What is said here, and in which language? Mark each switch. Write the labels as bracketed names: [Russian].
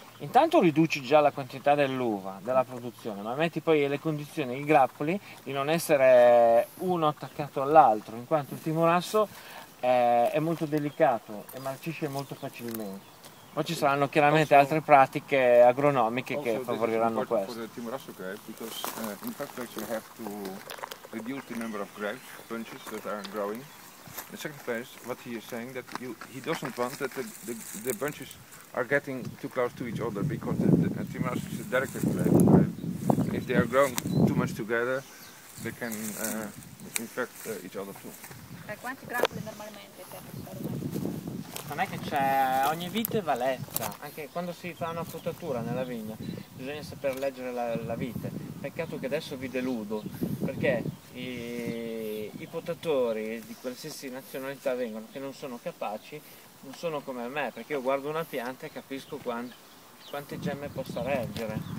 [Italian] Intanto riduci già la quantità dell'uva, della produzione, ma metti poi le condizioni, i grappoli, di non essere uno attaccato all'altro, in quanto il timorasso è molto delicato e marcisce molto facilmente. Poi ci saranno chiaramente altre pratiche agronomiche che favoriranno questo. [English] For the timorasso grape, because in fact you have to reduce the number of grapes, bunches that are growing. In second place, what he is saying that he doesn't want that the bunches are getting too close to each other, because the timorasso is a delicate grape. If they are growing too much together, they can infect each other too. [Italian] Quanti grappoli normalmente per non è che c'è, ogni vite va letta, anche quando si fa una frutatura nella vigna bisogna saper leggere la vite. Peccato che adesso vi deludo, perché i potatori di qualsiasi nazionalità vengono, che non sono capaci, non sono come me, perché io guardo una pianta e capisco quante gemme possa reggere.